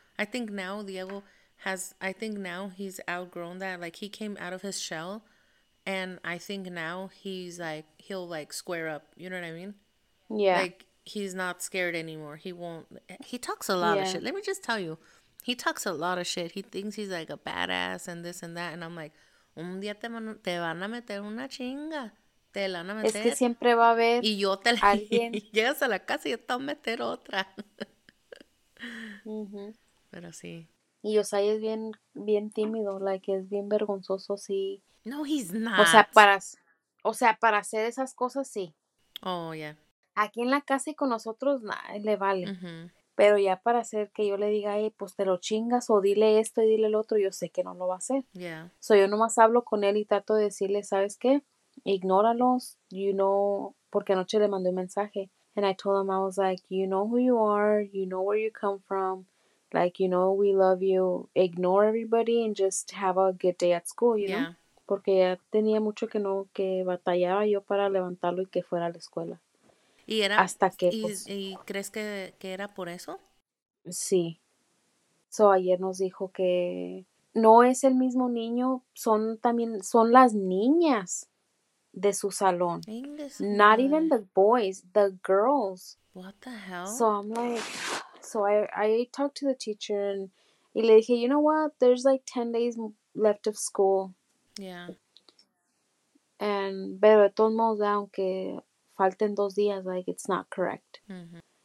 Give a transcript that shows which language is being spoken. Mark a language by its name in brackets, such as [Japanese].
[English] I think now Diego has, I think now he's outgrown that, like, he came out of his shell, and I think now he's like, he'll like square up, you know what I mean? Yeah. Like, he's not scared anymore. He talks a lot of shit. Let me just tell you. He talks a lot of shit. He thinks he's like a badass and this and that. And I'm like, [Spanish] un día te van a meter una chinga. Te la van a meter. Es que siempre va a haber alguien. Y yo te la... Alguien. Y llegas a la casa y yo te voy a meter otra. Mm-hmm. Pero sí. Y Osai es bien, bien tímido. Like, es bien vergonzoso, sí. [English] No, he's not. [Spanish] O sea, para hacer esas cosas, sí. [English] Oh, yeah. [Spanish] Aquí en la casa y con nosotros, nah, le vale. Mm-hmm. Pero ya para hacer que yo le diga, hey, pues te lo chingas, o dile esto y dile el otro, yo sé que no lo va a hacer. Yeah. So yo nomás hablo con él y trato de decirle, ¿sabes qué? Ignóralos, [English] you know, [Spanish] porque anoche le mandé un mensaje. [English] And I told him, I was like, you know who you are, you know where you come from, like, you know, we love you, ignore everybody and just have a good day at school, you know? [Spanish] Porque ya tenía mucho que no, que batallaba yo para levantarlo y que fuera a la escuela. ¿Y era, hasta que, pues, ¿y crees que era por eso? Sí. So, ayer nos dijo que no es el mismo niño, son las niñas de su salón. [English] Not even the boys, the girls. What the hell? So, I'm like, so I talked to the teacher [Spanish] y le dije, [English] you know what, there's like 10 days left of school. [Spanish] Yeah. And, pero de todos modos, aunque falten dos días, like, [English] it's not correct. [Spanish] Mm-hmm.